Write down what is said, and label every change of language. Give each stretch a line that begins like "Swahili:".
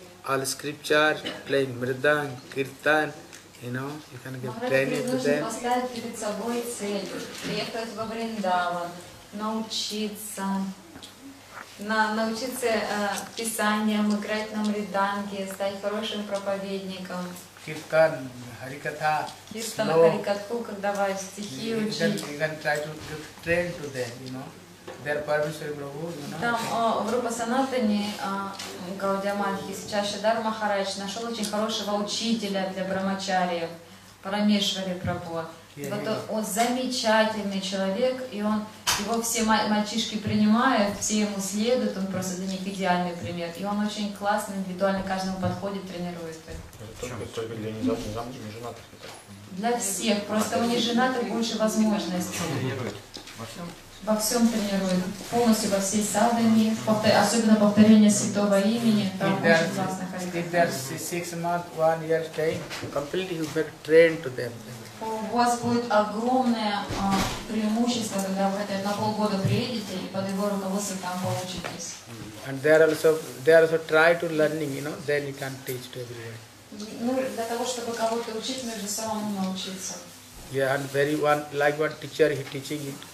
English: All scripture, playing mridang, kirtan, you know, you can give training to them.
Russian: Maharaj, нужно поставить перед собой цель, приехать во Вриндаван, научиться, научиться писаниям, играть на мриданге, стать хорошим проповедником.
Sanskrit: Kirtan, harikatha,
Russian: kirtan, harikatha, когда вы стихи учите.
English: You can try to give training to them, you know.
Russian: Там в Рупа Санатани Гаудия Мадхи сейчас Шридхар Махарадж нашел очень хорошего учителя для брахмачарьев, Парамешвари Прабху. Вот он замечательный человек, и он, его все мальчишки принимают, все ему следуют, он просто для них идеальный пример. И он очень классный, индивидуально каждому подходит, тренирует. Только для неженатых. Для всех, просто у неженатых больше возможностей. Во всем тренирует, полностью во всей садхане, особенно повторение святого имени, там очень классно ходить. У вас будет огромное преимущество, когда вы на полгода приедете и под его руководством там получитесь.
English: And they also try to learning, you know, then you can teach to everyone.
Russian: Ну, для того, чтобы кого-то учить, нужно самому научиться.
English: Yeah, and very one, like one teacher, he teaching it.